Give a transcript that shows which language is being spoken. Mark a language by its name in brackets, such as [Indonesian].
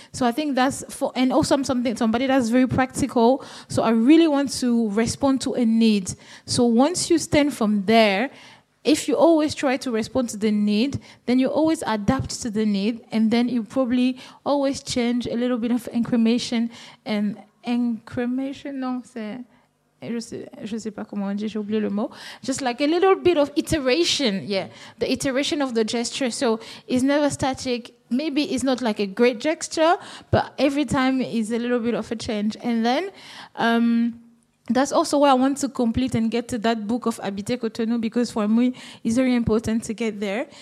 [English] So I think that's for, and also I'm something, somebody that's very practical, so I really want to respond to a need. So once you stand from there, if you always try to respond to the need, then you always adapt to the need, and then you probably always change a little bit of incremation and incremation. [French] Non, c'est je sais pas comment on dit, j'ai oublié le mot. [English] Just like a little bit of iteration, yeah, the iteration of the gesture. So it's never static. Maybe it's not like a great gesture, but every time is a little bit of a change, and then. That's also why I want to complete and get to that book of Habiter Cotonou, because for me, it's very important to get there.